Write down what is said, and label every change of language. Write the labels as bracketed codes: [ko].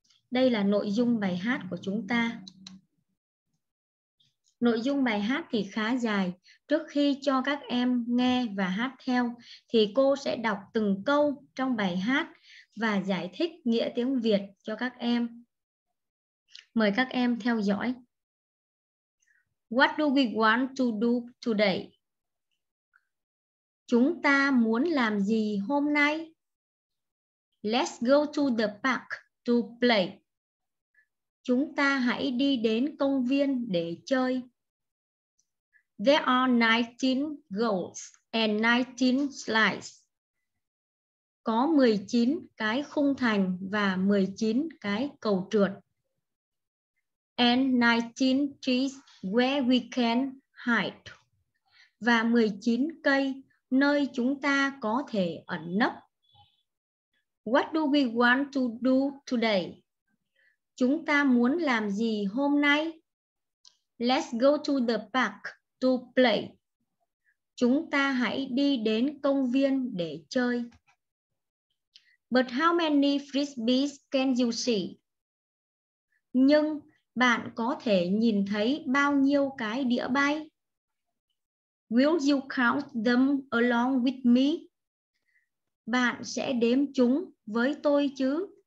[vi] Đây là nội dung bài hát của chúng ta. Nội dung bài hát thì khá dài. Trước khi cho các em nghe và hát theo, thì cô sẽ đọc từng câu trong bài hát và giải thích nghĩa tiếng Việt cho các em. Mời các em theo dõi. [en] What do we want to do today? [vi] Chúng ta muốn làm gì hôm nay? [en] Let's go to the park to play. [vi] Chúng ta hãy đi đến công viên để chơi. [en] There are 19 goals and 19 slides. [vi] Có 19 cái khung thành và 19 cái cầu trượt. [en] And 19 trees where we can hide. [vi] Và 19 cây nơi chúng ta có thể ẩn nấp. [en] What do we want to do today? [vi] Chúng ta muốn làm gì hôm nay? [en] Let's go to the park to play. [vi] Chúng ta hãy đi đến công viên để chơi. [en] But how many frisbees can you see? [vi] Nhưng bạn có thể nhìn thấy bao nhiêu cái đĩa bay? [en] Will you count them along with me? [vi] Bạn sẽ đếm chúng với tôi chứ?